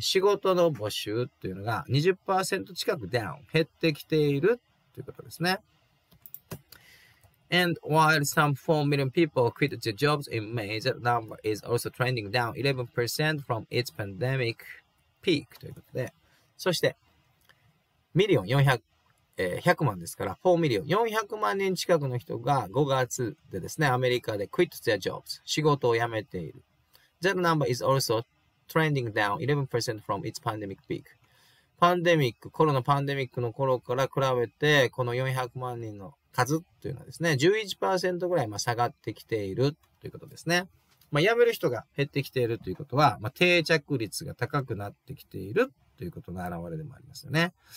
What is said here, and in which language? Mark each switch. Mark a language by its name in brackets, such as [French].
[Japanese] 仕事の募集というのが 20% 近くダウン、減ってきているということですね。 [English] And while some 4 million people quit their jobs in May, that number is also trending down 11% from its pandemic peak. [Japanese] ということで、そして、ミリオン100万ですから、4ミリオン、400万人近くの人が5月でですね、アメリカで [English] quit their jobs、 [Japanese] 仕事を辞めている。 [English] That number is also trending down 11% from its pandemic peak. [Japanese] パンデミック、コロナパンデミックの頃から比べて、この400万人の数っていうのはですね、11% ぐらい下がってきているということですね。まあ、辞める人が減ってきているということは、まあ、定着率が高くなってきているということの表れでもありますよね。